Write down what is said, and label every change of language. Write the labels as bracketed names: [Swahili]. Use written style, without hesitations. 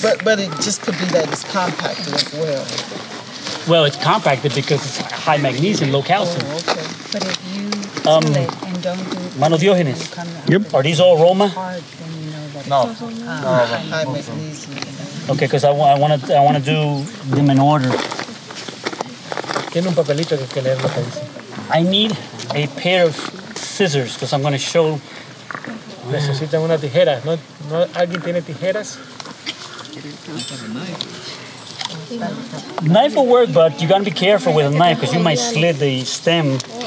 [English] But it just could be that it's compacted as well. Well, it's compacted because it's high magnesium, low calcium. Oh, okay. But if you do it and don't do it. [Spanish] Mano Diógenes. [English] Yep. Are these all Roma? Hard, then you know that no. It's also high magnesium. Okay, because I want to do them in order. [Spanish] Tiene un papelito que leer lo que dice. [English] I need a pair of scissors because I'm going to show. [Spanish] Necesitan una tijera. No, alguien tiene tijeras. [English] Knife will work, but you got to be careful with a knife because you might slit the stem.